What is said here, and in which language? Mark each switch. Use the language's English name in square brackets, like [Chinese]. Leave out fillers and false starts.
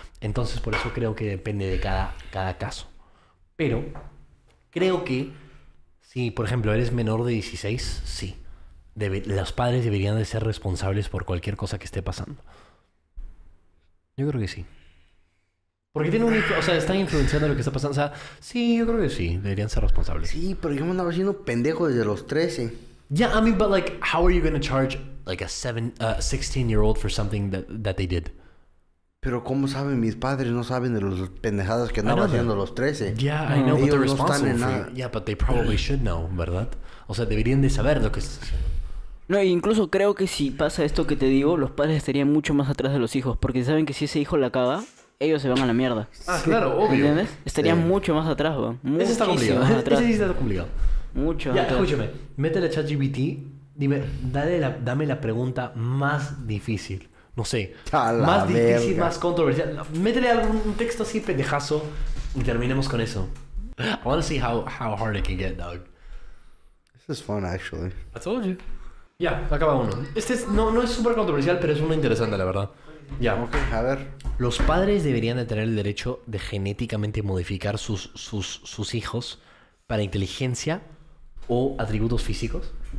[Spanish] Entonces, por eso creo que depende de cada caso. Pero creo que si, por ejemplo, eres menor de 16, sí. Los padres deberían de ser responsables por cualquier cosa que esté pasando. Yo creo que sí. Porque tiene un... O sea, están influenciando lo que está pasando. O sea, sí, yo creo que sí. Deberían ser responsables. Sí, pero yo me andaba siendo pendejo desde los 13. [English] Yeah, I mean, but like, how are you going to charge like a 16-year-old for something that they did? [Spanish] Pero ¿cómo saben mis padres? No saben de las pendejadas que andaba haciendo los 13. [English] Yeah, I know, but they're responsible for you. Yeah, but they probably should know, ¿verdad? [Spanish] O sea, deberían de saber lo que está haciendo. No, incluso creo que si pasa esto que te digo, los padres estarían mucho más atrás de los hijos. Porque saben que si ese hijo la caga... Ellos se van a la mierda. Ah, claro, obvio. ¿Entiendes? Estarían mucho más atrás, weón. Ese está complicado. Ese sí está complicado. Mucho. Ya, escúchame. Métele a ChatGPT. Dime, dame la pregunta más difícil. No sé. Más difícil, más controversial. Métele algún texto así, pendejazo. Y terminemos con eso. [English] I want to see how hard it can get, dog. This is fun, actually. I told you. [Spanish] Ya, acaba uno. No es súper controversial, pero es uno interesante, la verdad. Ya. Ok, a ver. Los padres deberían de tener el derecho de genéticamente modificar sus hijos para inteligencia o atributos físicos.